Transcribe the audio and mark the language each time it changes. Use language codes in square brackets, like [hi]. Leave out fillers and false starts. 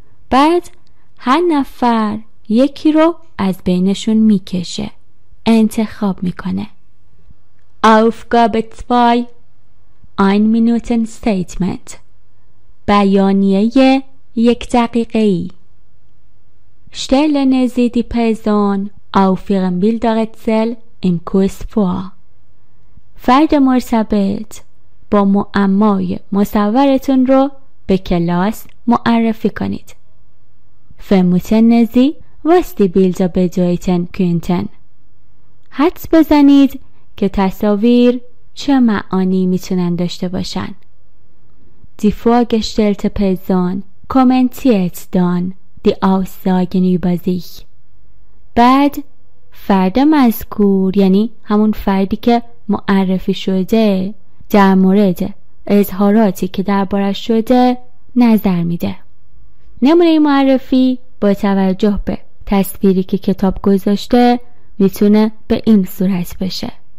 [fa] بعد هر نفر یکی رو از بینشون میکشه، انتخاب میکنه. آفگاب اتفای آین مینوتن سیتمنت، بیانیه یک دقیقه ای. [de] Stellen Sie die Person auf Ihrem Bilderrätsel im Kurs vor. [fa] فرد مرتبط با معمای مصورتون رو به کلاس معرفی کنید. [de] Vermuten Sie, was die Bilder bedeuten könnten. [fa] حدس بزنید که تصاویر چه معانی میتونن داشته باشن. [de] Die vorgestellte Person kommentiert dann die Aussagen über sich. [fa] بعد فرد مذکور یعنی همون فردی که معرفی شده در مورد اظهاراتی که درباره شده نظر میده. نمونه معرفی با توجه به تصویری که کتاب گذاشته میتونه به این صورت بشه.